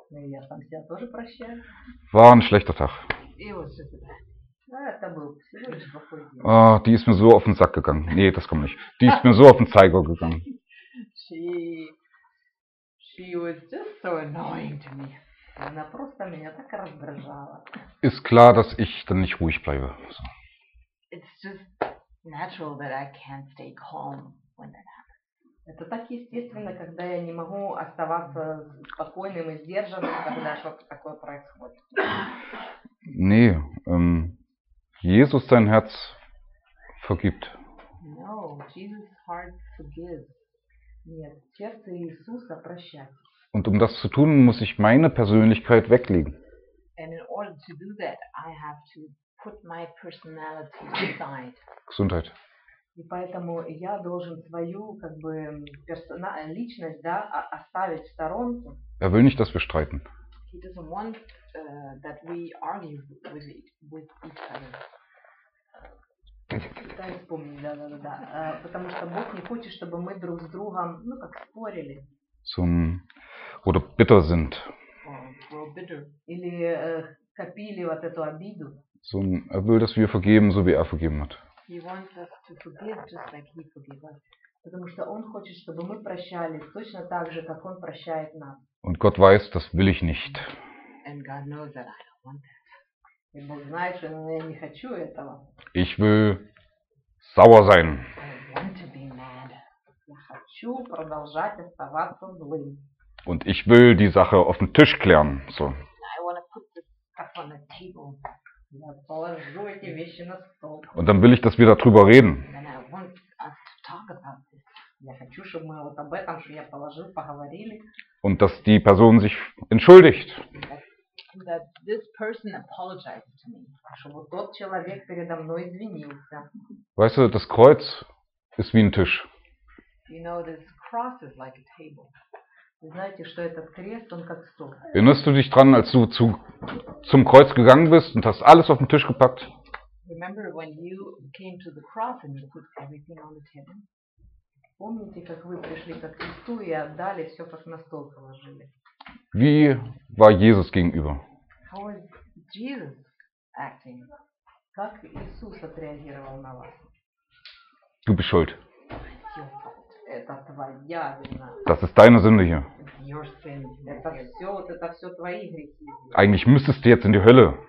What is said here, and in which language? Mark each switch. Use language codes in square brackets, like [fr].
[ru] Ну, я сам себя тоже прощаю. [de] War ein schlechter Tag. [en] It was just a bad. [ru] Ah, это был всего лишь плохой день. [de] Ah, die ist mir so auf den Sack gegangen. Nee, das kommt nicht. Die ist mir so auf den Zeiger gegangen. [en] She was just so annoying to me. [ru] Она просто меня так раздражала. [de] Ist klar, dass ich dann nicht ruhig bleibe. [en] So. It's just natural that I can't stay calm when that happens. [ru] Это так естественно, когда я не могу оставаться спокойным и сдержанным, когда что-то такое происходит. [de] Nee, Jesus sein Herz vergibt. [en] No, Jesus' heart forgives. [ru] Нет, сердце Иисуса прощает. [de] Und um das zu tun, muss ich meine Persönlichkeit weglegen. [en] And in order to do that, I have to put my personality aside. [de] Gesundheit. [ru] И поэтому я должен свою, как бы, личность, да, оставить в сторонку. [de] Er will nicht, dass wir streiten. [en] He doesn't want that we argue with each other. [ru] Да, я вспомнил, да. Потому что Бог не хочет, чтобы мы друг с другом, ну, как спорили. [de] Oder bitter sind. [en] Or bitter. [ru] Или копили вот эту обиду. [de] Er will, dass wir vergeben, so wie er vergeben hat. [en] He wants us to forgive just like he forgave us. [ru] Потому что он хочет, чтобы мы прощали точно так же, как он прощает нас. [de] Und Gott weiß, das will ich nicht. [en] And God knows that I don't want that. [ru] И Бог знает, что я не хочу этого. [de] Ich will sauer sein. [en] I want to be mad. [ru] Я хочу продолжать оставаться злым. [de] Und ich will die Sache auf den Tisch klären. [en] So. I want to put this stuff on the table. [ru] Я положу эти вещи на стол. [de] Und dann will ich, dass wir darüber reden. [en] And I want us to talk about this. [ru] Я хочу, чтобы мы вот об этом, что я положил, поговорили. [de] Und dass die Person sich entschuldigt. [en] That this person apologized to me. [ru] Чтобы тот человек передо мной извинился. [de] Weißt du, das Kreuz ist wie ein Tisch. [en] You know, this cross is like a table. [ru] Вы знаете, что этот крест, он как стол. [de] Erinnerst du dich dran, als du zum Kreuz gegangen bist und hast alles auf den Tisch gepackt? [en] Remember when you came to the cross and you put everything on the table? [ru] Помните, как вы пришли к кресту и отдали все, как на стол положили? [de] Wie war Jesus gegenüber? [en] How was Jesus acting? [ru] Как Иисус отреагировал на вас? [de] Du bist schuld. [ru] Это твоя вина. [de] Das ist deine Sünde hier. [en] Your sin. [ru] Это все твои грехи. [de] Eigentlich müsstest du jetzt in die Hölle.